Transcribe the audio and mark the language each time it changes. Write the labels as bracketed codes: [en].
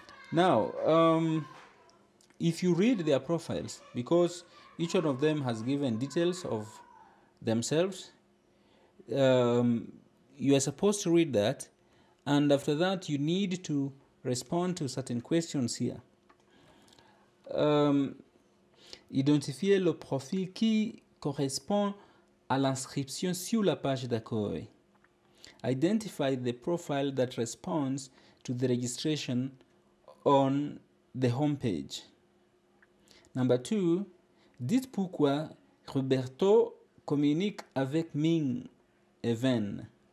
[en] Now, if you read their profiles, because Each one of them has given details of themselves. You are supposed to read that, and after that you need to respond to certain questions here. [fr] Identifier le profil qui correspond à l'inscription sur la page d'accueil. [en] Identify the profile that responds to the registration on the homepage. Number two, [fr] dites pourquoi Roberto communique avec Ming Even.